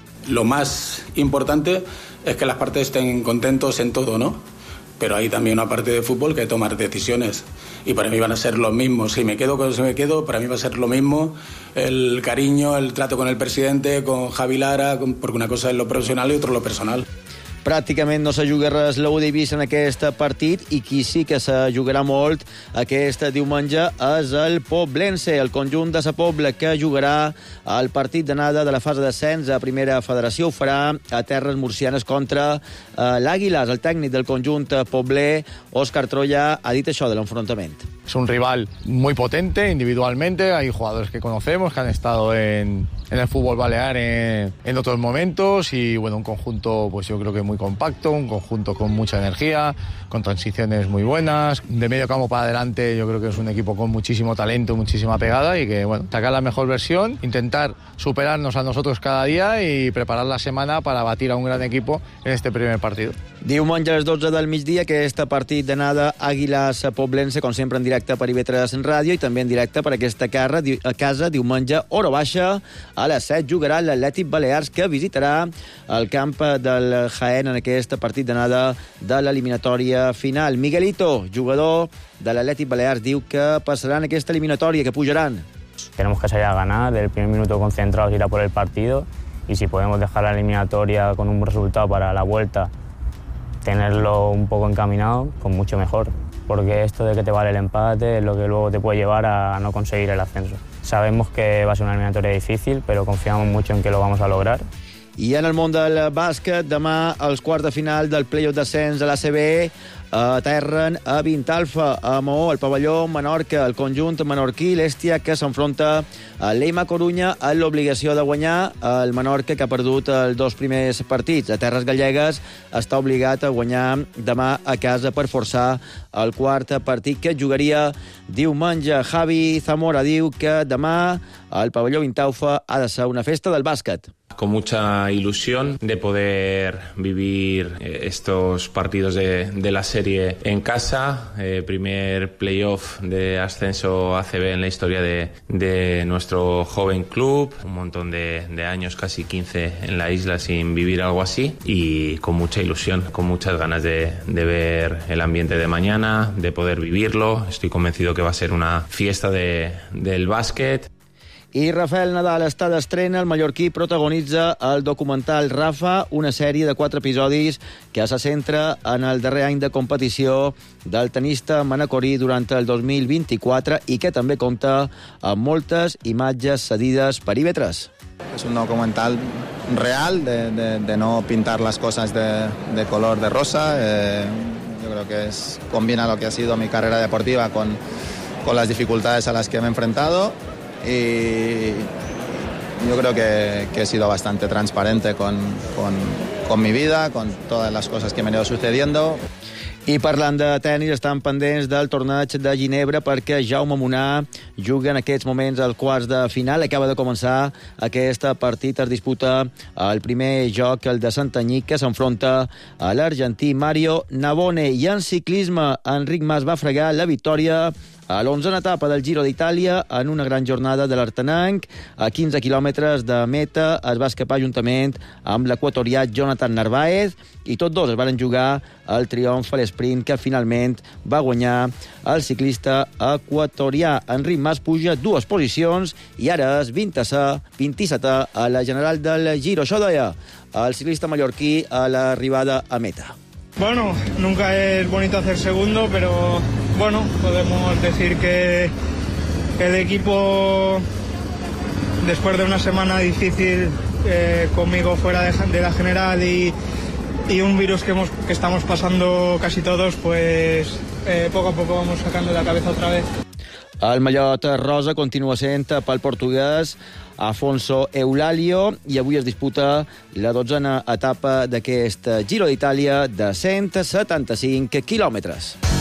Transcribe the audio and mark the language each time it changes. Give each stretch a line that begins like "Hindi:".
Spanish: Lo más importante es que las partes estén contentos en todo, ¿no? pero hay también una parte de fútbol que tomar decisiones, y para mí van a ser lo mismo, si me quedo o si me quedo, para mí va a ser lo mismo el cariño, el trato con el presidente, con Javi Lara, porque una cosa es lo profesional y otra lo personal.
Catalan: Pràcticament no se juga res la UDIBIS en aquest partit, i qui sí que se jugarà molt aquest diumenge és el Poblense, el conjunt de Sa Pobla, que jugarà el partit d'anada de la fase d'ascens a Primera Federació. Ho farà a Terres Murcianes contra l'Àguiles. El tècnic del conjunt poblè, Òscar Troya, ha dit això de l'enfrontament.
Spanish: Es un rival muy potente individualmente, hay jugadores que conocemos que han estado en el fútbol balear en otros momentos, y bueno, un conjunto pues yo creo que muy compacto, un conjunto con mucha energía, con transiciones muy buenas, de medio campo para adelante yo creo que es un equipo con muchísimo talento, muchísima pegada, y que bueno, sacar la mejor versión, intentar superarnos a nosotros cada día y preparar la semana para batir a un gran equipo en este primer partido.
Catalan: Diumenge a les 12 del migdia, que aquest partit d'anada Àguiles Poblense, com sempre en directe per IB3 en ràdio i també en directe per aquesta casa, diumenge hora baixa, a les 7 jugarà l'Atlètic Balears, que visitarà el camp del Jaén en aquest partit d'anada de l'eliminatòria final. Miguelito, jugador de l'Atlètic Balears, diu que passaran aquesta eliminatòria, que pujaran.
Spanish: Tenemos que salir a ganar, del primer minuto concentrados, ir a por el partido, y si podemos dejar la eliminatòria con un resultado para la vuelta, tenerlo un poco encaminado, pues mucho mejor. Porque esto de que te vale el empate es lo que luego te puede llevar a no conseguir el ascenso. Sabemos que va a ser una eliminatoria difícil, pero confiamos mucho en que lo vamos a lograr.
Catalan: I en el món del bàsquet, demà als quarts de final del play-off d'ascens a l'ACB, aterren a Vintalfa, a Mahó, al pavelló Menorca, el conjunt menorquí, l'Èstia, que s'enfronta a l'Eima Corunya amb l'obligació de guanyar, el Menorca, que ha perdut els dos primers partits. A Terres Gallegues està obligat a guanyar demà a casa per forçar el quart partit, que jugaria diumenge. Javi Zamora diu que demà el pavelló Vintalfa ha de ser una festa del bàsquet.
Spanish: Con mucha ilusión de poder vivir estos partidos de la serie en casa. Primer playoff de ascenso ACB en la historia de nuestro joven club. Un montón de años, casi 15 en la isla sin vivir algo así. Y con mucha ilusión, con muchas ganas de ver el ambiente de mañana, de poder vivirlo. Estoy convencido que va a ser una fiesta del básquet.
Catalan: I Rafael Nadal està d'estrena. El mallorquí protagonitza el documental Rafa, una sèrie de 4 episodis que se centra en el darrer any de competició del tenista manacorí durant el 2024 i que també compta amb moltes imatges cedides per IB3. És un documental real, de no pintar les coses de color de rosa. Jo crec que combina el que
Spanish: ha sido mi carrera deportiva con
Catalan: les dificultats a les que m'he enfrentat.
Spanish: Y yo creo que he sido bastante transparente con mi vida, con todas las cosas que me han ido sucediendo.
Catalan: I parlant de tenis, estan pendents del torneig de Ginebra perquè Jaume Munà juga en aquests moments als quarts de final. Acaba de començar aquest partit, es disputa el primer joc, el de Santanyí, que s'enfronta a l'argentí Mario Navone. I en ciclisme, Enric Mas va fregar la victòria a l'onzena etapa del Giro d'Itàlia en una gran jornada de l'Artenanc. A 15 quilòmetres de meta es va escapar juntament amb l'equatorià Jonathan Narváez, i tots dos es van jugar el triomf a l'esprint que finalment va guanyar el ciclista equatorià. Enric Mas puja 2 posicions i ara és 27è a la general del Giro. Això deia el ciclista mallorquí a l'arribada a meta.
Spanish: Bueno, nunca es bonito hacer segundo, pero bueno, podemos decir que el equipo, después de una semana difícil conmigo fuera de la general y un virus que estamos pasando casi todos, pues poco a poco vamos sacando la cabeza otra vez.
Catalan: El mallot rosa continua sent pel portuguès Afonso Eulalio, i avui es disputa la 12a etapa d'aquest Giro d'Itàlia de 175 quilòmetres.